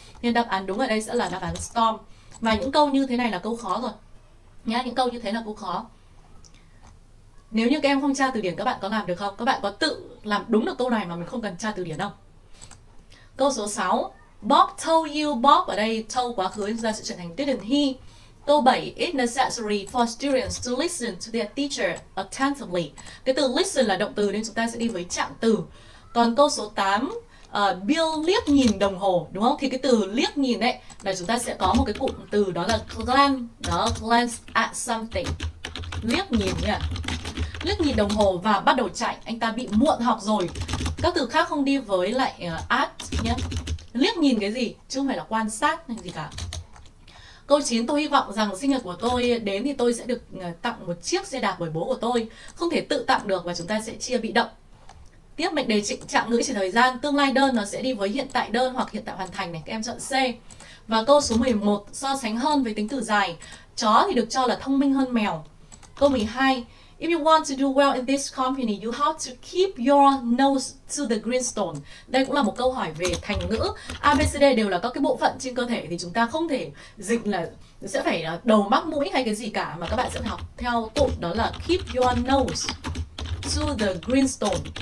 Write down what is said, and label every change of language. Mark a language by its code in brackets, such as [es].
[vi] Nên đáp án đúng ở đây sẽ là đáp án storm. Và những câu như thế này là câu khó rồi. Nhá, những câu như thế là câu khó. Nếu như các em không tra từ điển các bạn có làm được không? Các bạn có tự làm đúng được câu này mà mình không cần tra từ điển không? Câu số 6, Bob told you. Bob ở đây told quá khứ nên ra sẽ chuyển thành didn't he. Câu 7, [en] it's necessary for students to listen to their teacher attentively. [vi] Cái từ listen là động từ nên chúng ta sẽ đi với trạng từ. Còn câu số 8, Bill liếc nhìn đồng hồ, đúng không? Thì cái từ liếc nhìn ấy là chúng ta sẽ có một cái cụm từ đó là glance, đó, glance at something. Liếc nhìn nhỉ? Liếc nhìn đồng hồ và bắt đầu chạy, anh ta bị muộn học rồi. Các từ khác không đi với lại at nhé. Liếc nhìn cái gì chứ không phải là quan sát hay gì cả. Câu 9, tôi hy vọng rằng sinh nhật của tôi đến thì tôi sẽ được tặng một chiếc xe đạp bởi bố của tôi. Không thể tự tặng được và chúng ta sẽ chia bị động. Tiếp, mệnh đề trịnh trạng ngữ chỉ thời gian, tương lai đơn nó sẽ đi với hiện tại đơn hoặc hiện tại hoàn thành này, các em chọn C. Và câu số 11, so sánh hơn với tính từ dài, chó thì được cho là thông minh hơn mèo. Câu 12, [en] if you want to do well in this company, you have to keep your nose to the grindstone. [vi] Đây cũng là một câu hỏi về thành ngữ. A, B, C, D đều là các cái bộ phận trên cơ thể thì chúng ta không thể dịch là sẽ phải là đầu mắt mũi hay cái gì cả, mà các bạn sẽ học theo cụm đó là [en] keep your nose to the grindstone.